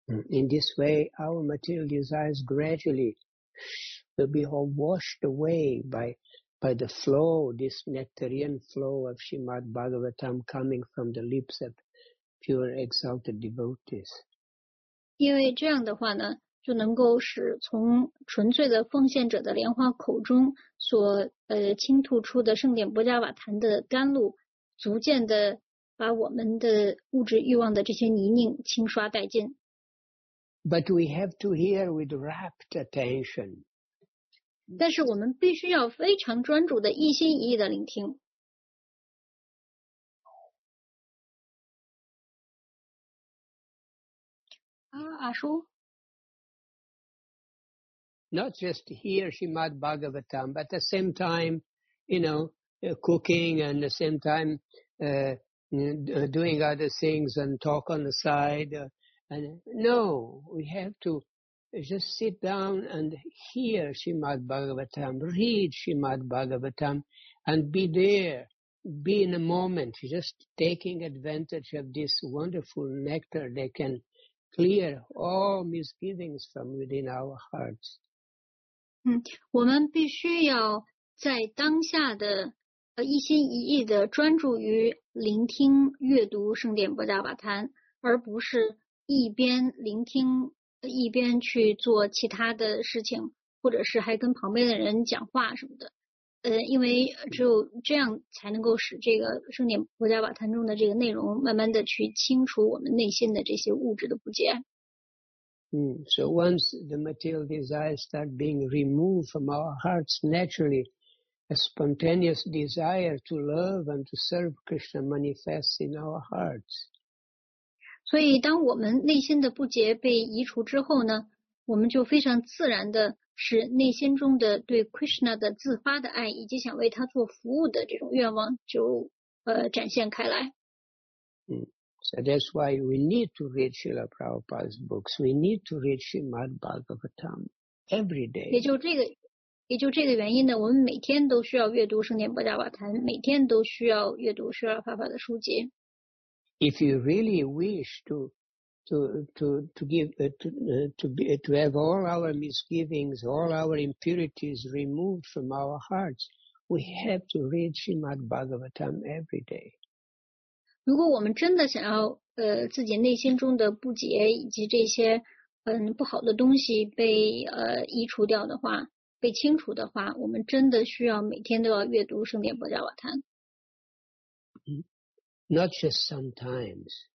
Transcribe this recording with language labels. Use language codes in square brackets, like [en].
[en] In this way, our material desires gradually will be all washed away by the flow, this nectarian flow of Srimad Bhagavatam coming from the lips of pure exalted devotees. [zh] 因为这样的话呢，就能够使从纯粹的奉献者的莲花口中所倾吐出的圣典波迦瓦坛的甘露，逐渐的把我们的物质欲望的这些泥泞清刷殆尽。 [en] But we have to hear with rapt attention. [zh] 但是我们必须要非常专注的一心一意的聆听。啊，阿叔。 [en] Not just hear Srimad Bhagavatam, but at the same time, you know, cooking and at the same time, doing other things and talk on the side. And no, we have to just sit down and hear Srimad Bhagavatam, read Srimad Bhagavatam, and be there, be in a moment, just taking advantage of this wonderful nectar that can clear all misgivings from within our hearts. [zh] 我们必须要在当下的一心一意的专注于聆听阅读圣典波迦瓦坛，而不是一边聆听一边去做其他的事情，或者是还跟旁边的人讲话什么的，因为只有这样才能够使这个圣典波迦瓦坛中的这个内容慢慢的去清除我们内心的这些物质的不洁。 [en] So once the material desires start being removed from our hearts, naturally a spontaneous desire to love and to serve Krishna manifests in our hearts. [zh] 所以当我们内心的不洁被移除之后呢，我们就非常自然的使内心中的对 Krishna 的自发的爱以及想为他做服务的这种愿望就展现开来。 [en] So that's why we need to read Srila Prabhupada's books. We need to read Srimad Bhagavatam every day. [zh] 也就这个原因呢，我们每天都需要阅读圣典波迦瓦坛，每天都需要阅读 Srila Prabhupada 的书籍。 [en] If you really wish to have all our misgivings, all our impurities removed from our hearts, we have to read Srimad Bhagavatam every day. [zh] 如果我们真的想要自己内心中的不洁以及这些不好的东西被移除掉的话，被清除的话，我们真的需要每天都要阅读圣典波迦瓦坛。 [en] Not just sometimes.